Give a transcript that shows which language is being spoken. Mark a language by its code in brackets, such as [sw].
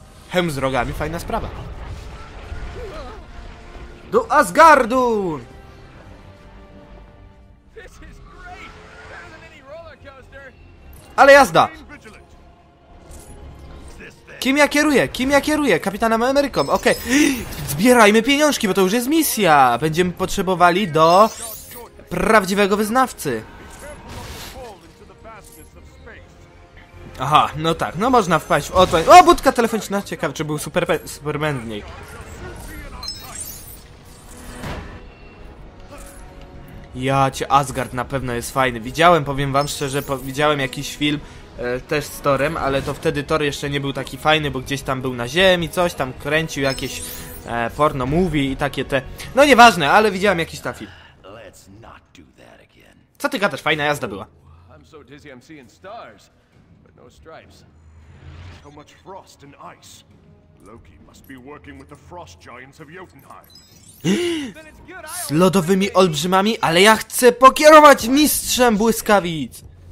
[pl] Hem z rogami, fajna sprawa. Do Asgardu! [en] This is great! Better than any roller coaster! [pl] Ale jazda! Kim ja kieruję? Kapitanem Ameryką, okej. Zbierajmy pieniążki, bo to już jest misja. Będziemy potrzebowali do prawdziwego wyznawcy. Aha, no tak, no można wpaść w otwór. O, budka telefoniczna, ciekawe, czy był Superman w niej. Ja cię, Asgard na pewno jest fajny. Widziałem, powiem wam szczerze, widziałem jakiś film. też z Thorem, ale to wtedy Thor jeszcze nie był taki fajny, bo gdzieś tam był na ziemi, coś tam kręcił jakieś porno movie i takie te... No nieważne, ale widziałem jakiś ta film. [en] Let's not do that again. [pl] Co ty gadasz? Fajna jazda była. [en] I'm so dizzy, I'm seeing stars, but no stripes. How much frost and ice? Loki must be working with the frost giants of Jotunheim. [pl] Z lodowymi olbrzymami, ale ja chcę pokierować mistrzem błyskawic.